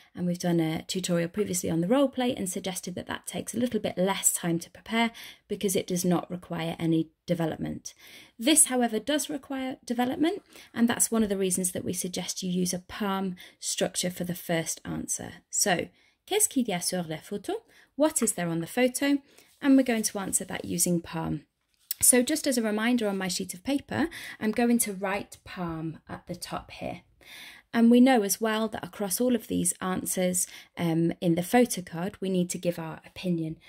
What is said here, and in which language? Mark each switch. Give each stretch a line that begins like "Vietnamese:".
English: And we've done a tutorial previously on the role play and suggested that that takes a little bit less time to prepare because it does not require any development. This, however, does require development, and that's one of the reasons that we suggest you use a palm structure for the first answer.
French: So, qu'est-ce qu'il y a sur la photo?
English: What is there on the photo? And we're going to answer that using palm. So just as a reminder on my sheet of paper, I'm going to write palm at the top here. And we know as well that across all of these answers in the photocard, we need to give our opinion.